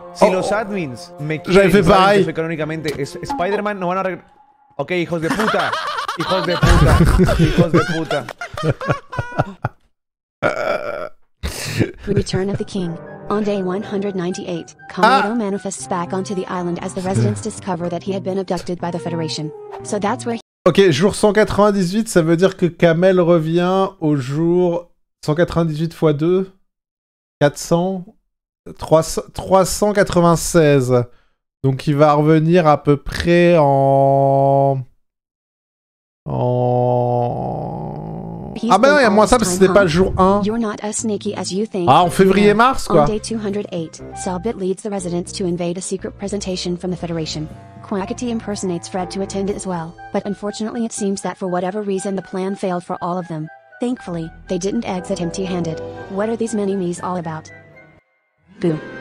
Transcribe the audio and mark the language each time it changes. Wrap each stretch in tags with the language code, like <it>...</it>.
<es>Si los admins me quieren económicamente, Spider-Man no van a regresar. Ok, hijos de puta. Hijos de puta. Hijos de puta.</es> <en>Return of the King. On day 198, Komodo manifests back onto the island as the residents discover that he had been abducted by the Federation. So that's where he...</en> <fr>Ok, jour 198, ça veut dire que Kamel revient au jour 198 x 2. 400. 396. Donc il va revenir à peu près en... Ah ben non, il y a moins ça parce que c'était pas le jour 1.</fr> <en>You're not as sneaky as you think.</en> <fr>Ah, en février-mars, quoi.</fr> <en>On day 208, Selbit leads the residents to invade a secret presentation from the Federation. Quackity impersonates Fred to attend it as well, but unfortunately it seems that for whatever reason the plan failed for all of them. Thankfully, they didn't exit empty-handed. What are these mini-me's all about? Boo.</en>